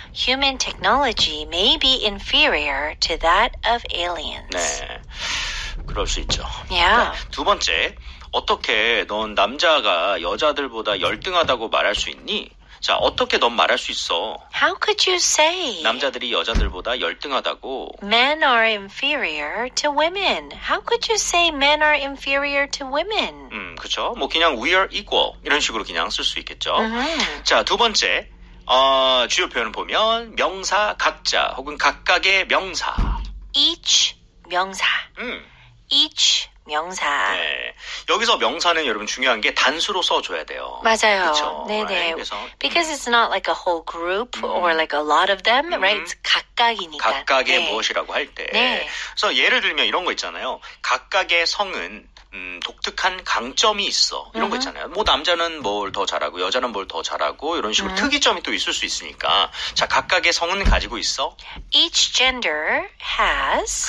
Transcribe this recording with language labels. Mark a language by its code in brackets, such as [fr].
[en] Human technology may be inferior to that of aliens. [ko] 네, 그럴 수 있죠. [en] Yeah. [ko] 두 번째, 어떻게 넌 남자가 여자들보다 열등하다고 말할 수 있니? 자, 어떻게 넌 말할 수 있어? [en] How could you say? [ko] 남자들이 여자들보다 열등하다고. [en] Men are inferior to women. How could you say men are inferior to women? [ko] 그쵸. 뭐 그냥 [en] we are equal [ko] 이런 식으로 그냥 쓸 수 있겠죠. Uh-huh. 자, 두 번째. 주요 표현을 보면 명사 각자 혹은 각각의 명사. Each 명사. Each 명사. 네. 여기서 명사는 여러분 중요한 게 단수로 써줘야 돼요. 맞아요. 그렇죠. 네네. 그래서, [en] Because it's not like a whole group or like a lot of them, right? [ko] It's 각각이니까. 각각의 무엇이라고 할 때. 네. 그래서 예를 들면 이런 거 있잖아요. 각각의 성은 독특한 강점이 있어. 이런 거 있잖아요. 뭐 남자는 뭘 더 잘하고 여자는 뭘 더 잘하고 이런 식으로 특이점이 또 있을 수 있으니까. 자, 각각의 성은 가지고 있어. [en] Each gender has